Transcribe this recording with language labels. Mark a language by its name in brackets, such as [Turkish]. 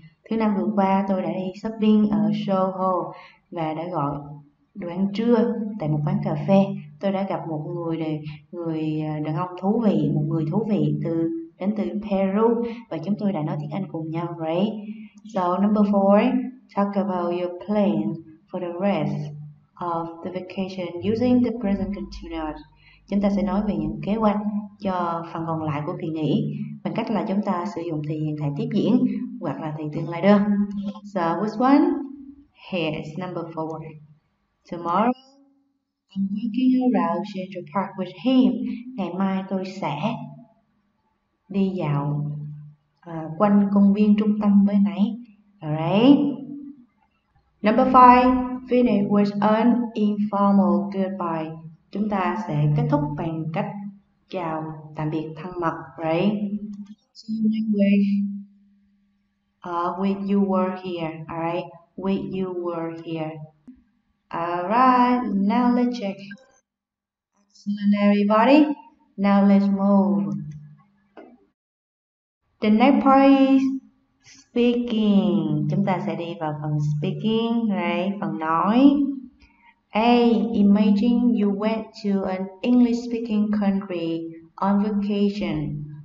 [Vietnamese] Thứ năm vừa qua tôi đã đi shopping ở Soho và đã gọi đồ ăn trưa tại một quán cà phê. Tôi đã gặp một người đàn ông thú vị, một người thú vị đến từ Peru và chúng tôi đã nói tiếng Anh cùng nhau, right? [English] So number four, talk about your plan for the rest of the vacation using the present continuous. [Vietnamese] Chúng ta sẽ nói về những kế hoạch cho phần còn lại của kỳ nghỉ bằng cách là chúng ta sử dụng thì hiện tại tiếp diễn hoặc là thì tương lai đơn. [English] So which one? Here is number four. Tomorrow I'm walking around Central Park with him. [Vietnamese] Ngày mai tôi sẽ đi dạo quanh công viên trung tâm với nãy. Alright. [English] Number five. Finish with an informal goodbye. [Vietnamese] Chúng ta sẽ kết thúc bằng cách chào tạm biệt thân mật, right? [English] See you next week. When you were here, alright? When you were here. Alright, now let's check. Excellent, everybody. Now let's move. The next part is speaking. [Vietnamese] Chúng ta sẽ đi vào phần speaking, right? Phần nói. A. [English] Imagine you went to an English-speaking country on vacation.